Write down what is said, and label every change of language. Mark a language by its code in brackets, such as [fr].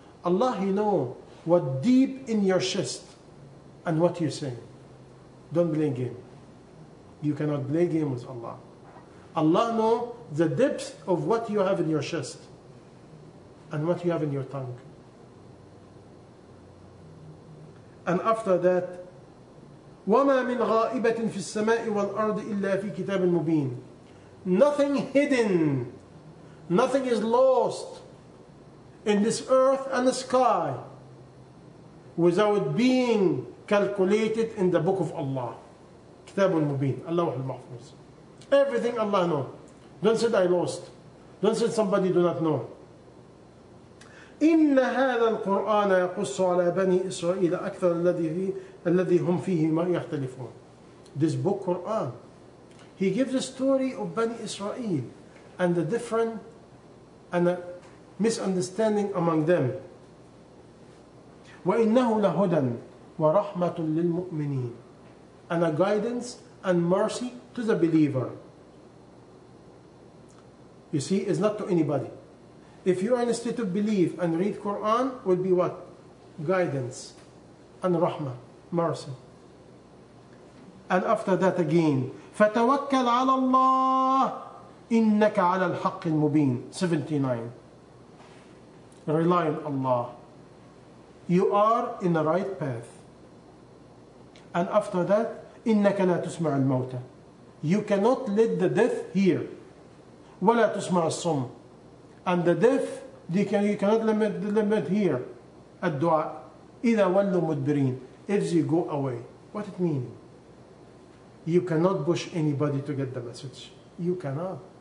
[en] Allah, He know what deep in your chest and what you're saying. Don't play game. You cannot play game with Allah. Allah know the depth of what you have in your chest and what you have in your tongue. And after that, [ar] وَمَا مِنْ غَائِبَةٍ فِي السَّمَاءِ وَالْأَرْضِ إِلَّا فِي كِتَابٍ مُبِينٍ. [en] Nothing hidden. Nothing is lost in this earth and the sky without being calculated in the book of Allah. Kitab al-Mubin. Allah al-Mahfuz. Everything Allah knows. Don't say I lost. Don't say somebody do not know. [ar] إِنَّ هَذَا الْقُرْآنَ يَقُصُّ عَلَى بَنِي إِسْرَائِيلَ أَكْثَرَ الَّذِي هُمْ فِيهِ مَا يَخْتَلِفُونَ. [en] This book, Quran, He gives the story of Bani Israel and the different and a misunderstanding among them. [ar] وَإِنَّهُ لَهُدًا وَرَحْمَةٌ لِلْمُؤْمِنِينَ. [en] And a guidance and mercy to the believer. You see, it's not to anybody. If you are in a state of belief and read Quran, it would be what? guidance and rahmah, mercy. And after that again, [ar] فَتَوَكَّلْ عَلَى اللَّهِ إِنَّكَ عَلَى الْحَقِّ الْمُبِينِ 79. [en] Rely on Allah. You are in the right path. And after that, [ar] إِنَّكَ لَا تُسْمَعَ الْمَوْتَى. [en] You cannot let the death hear. [ar] وَلَا تُسْمَعَ الصُّمُ. [en] And the deaf, you cannot limit here. [ar] الدُّعَى. إِذَا وَلُّ مُدْبِرِينَ. [en] If you go away. What it mean? You cannot push anybody to get the message. You cannot.